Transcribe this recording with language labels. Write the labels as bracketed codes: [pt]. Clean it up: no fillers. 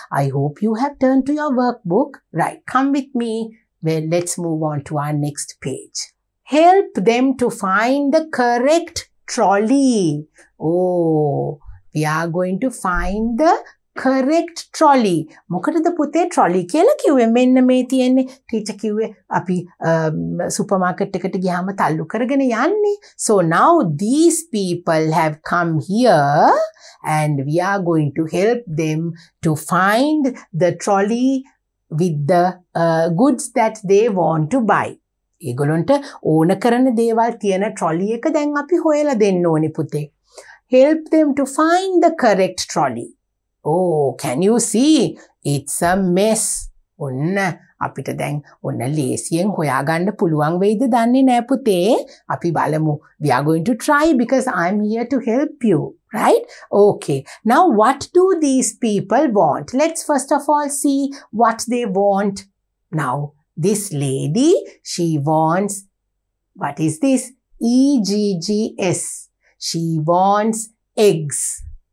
[en] I hope you have turned to your workbook. Right, come with me. Well, let's move on to our next page. Help them to find the correct trolley. Oh, we are going to find the correct trolley. [si] මොකටද පුතේ trolley කියලා කිව්වේ? මෙන්න මේ තියෙන්නේ. Teacher කිව්වේ අපි supermarket එකට ගියාම තල්ලු කරගෙන යන්නේ. [en] So now these people have come here and we are going to help them to find the trolley with the goods that they want to buy. [si] ඒගොලොන්ට ඕන කරන දේවල් තියෙන ට්‍රොලි එක දැන් අපි හොයලා දෙන්න ඕනි පුතේ. [en] Help them to find the correct trolley. Oh, can you see? It's a mess. [si] ඔන්න අපිට දැන් ඔන්න ලේසියෙන් හොයාගන්න පුළුවන් වෙයිද දන්නේ නෑ පුතේ. අපි බලමු. [en] We are going to try because I'm here to help you. Right? Okay. Now, what do these people want? Let's first of all see what they want. Now, this lady, she wants, what is this? E-G-G-S. She wants eggs.